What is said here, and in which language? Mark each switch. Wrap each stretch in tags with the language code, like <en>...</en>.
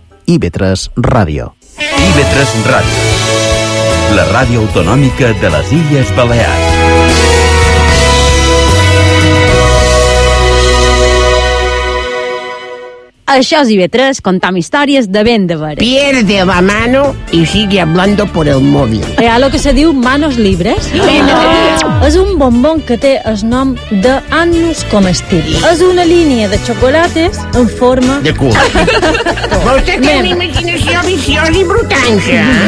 <ca>IB3 Ràdio. IB3 Ràdio. La ràdio autonòmica de les Illes Balears. Això és IB3, contam històries de ben de veres.</ca> <es>Pierde la mano y sigue hablando por el móvil.</es> <ca>Hi ha el que se diu</ca> <es>manos libres.</es> <ca>És un bombón que té el nom de Annus Comestible. És una línia de xocolates en forma... de cul. Vostè té una imaginació viciosa i brutanca.</ca>